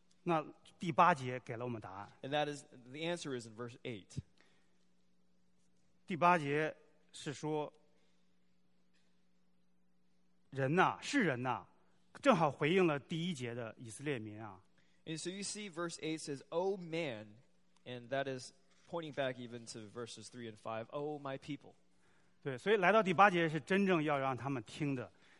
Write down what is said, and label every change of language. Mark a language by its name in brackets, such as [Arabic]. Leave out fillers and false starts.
[English] And that is, the answer is in verse 8. [Chinese] 第八节是说, 人啊, 是人啊, 正好回应了第一节的以色列民啊。 [English] And so you see verse 8 says, O man, and that is pointing back even to verses 3 and 5, O my people. [Chinese] 对，所以来到第八节是真正要让他们听的。